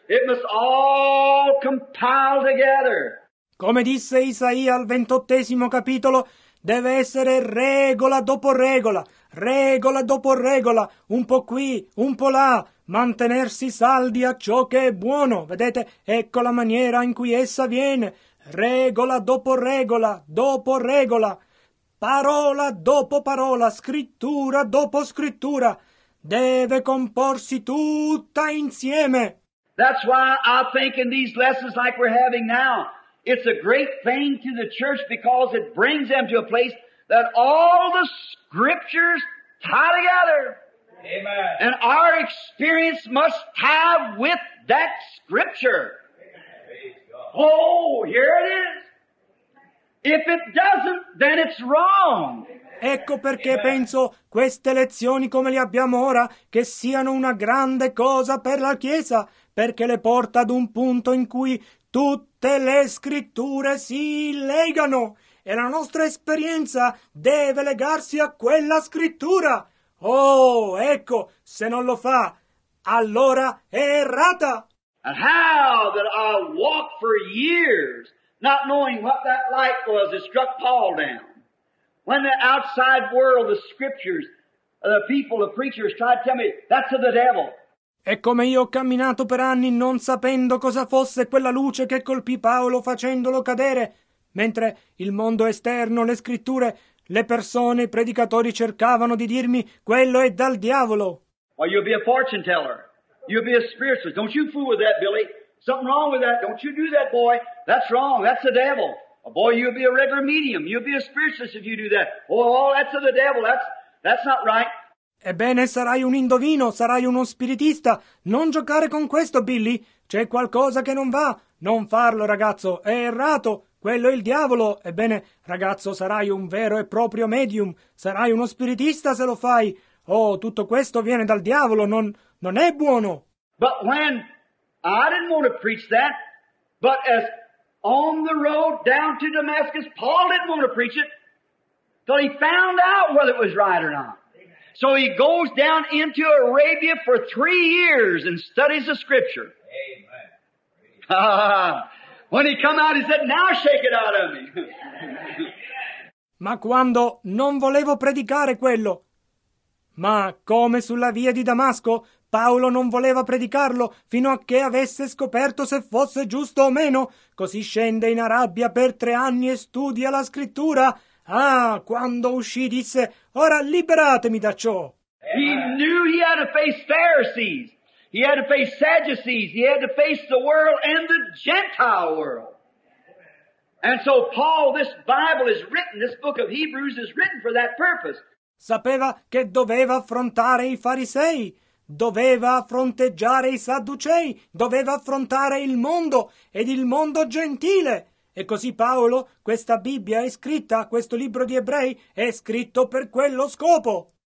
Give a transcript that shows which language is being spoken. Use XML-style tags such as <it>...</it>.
<en>It must all compile together.</en> <it>Come disse Isaia al 28° capitolo, deve essere regola dopo regola, regola dopo regola, un po' qui, un po' là, mantenersi saldi a ciò che è buono. Vedete, ecco la maniera in cui essa viene, regola dopo regola, dopo regola, parola dopo parola, scrittura dopo scrittura, deve comporsi tutta insieme.</it> <en>That's why I think in these lessons like we're having now, it's a great thing to the church because it brings them to a place that all the scriptures tie together. Amen. And our experience must tie with that scripture. Oh, here it is. If it doesn't, then it's wrong.</en> <it>Ecco perché penso queste lezioni come le abbiamo ora che siano una grande cosa per la Chiesa, perché le porta ad un punto in cui tutte le scritture si legano e la nostra esperienza deve legarsi a quella scrittura. Oh, ecco, se non lo fa, allora è errata.</it> <en>And how that I walked for years not knowing what that light was that struck Paul down. When the outside world, the scriptures, the people, the preachers tried to tell me, that's of the devil.</en> <it>E come io ho camminato per anni non sapendo cosa fosse quella luce che colpì Paolo facendolo cadere, mentre il mondo esterno, le scritture, le persone, i predicatori cercavano di dirmi, quello è dal diavolo.</it> <en>Well, you'll be a fortune teller. You'll be a spiritualist. Don't you fool with that, Billy. Something wrong with that. Don't you do that, boy. That's wrong. That's the devil. Oh boy, you'll be a regular medium. You'll be a spiritualist if you do that. Oh, that's of the devil. That's not right.</en> <it>Ebbene, sarai un indovino, sarai uno spiritista. Non giocare con questo, Billy. C'è qualcosa che non va. Non farlo, ragazzo. È errato. Quello è il diavolo. Ebbene, ragazzo, sarai un vero e proprio medium. Sarai uno spiritista se lo fai. Oh, tutto questo viene dal diavolo. Non è buono.</it> <en>But when I didn't want to preach that, but as on the road down to Damascus, Paul didn't want to preach it till he found out whether it was right or not. So he goes down into Arabia for 3 years and studies the scripture. Amen. When he come out, he said, now shake it out of me.</en> <it>Ma quando non volevo predicare quello, ma come sulla via di Damasco, Paolo non voleva predicarlo fino a che avesse scoperto se fosse giusto o meno. Così scende in Arabia per 3 anni e studia la scrittura. Ah, quando uscì disse, ora liberatemi da ciò.</it> <en>He knew he had to face Pharisees. He had to face Sadducees. He had to face the world and the Gentile world. And so Paul, this Bible is written, this book of Hebrews is written for that purpose.</en> <it>Sapeva che doveva affrontare i farisei. Doveva fronteggiare i sadducei, doveva affrontare il mondo ed il mondo gentile. E così Paolo, questa Bibbia è scritta, questo libro di Ebrei è scritto per quello scopo.</it>